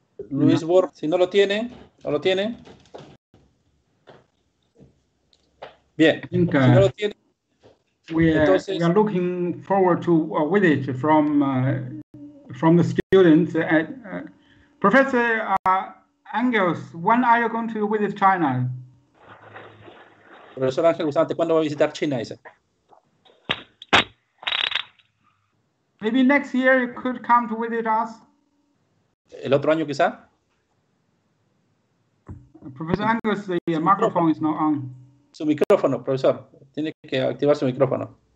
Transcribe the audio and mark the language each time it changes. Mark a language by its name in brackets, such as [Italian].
[Spanish] Luis Borja, si no lo tiene, ¿no lo tiene? Bien. Okay. Si no lo tiene. [English] We are looking forward to a visit from the students. Professor Angels, when are you going to visit China? [Spanish] Professor Angel Gustante, ¿cuándo va a visitar China? [English] Maybe next year you could come to visit us. [Spanish] El otro año quizá. [English] Professor Angels, the microphone is not on. [Spanish] Su micrófono, profesor. Tiene que activar su micrófono.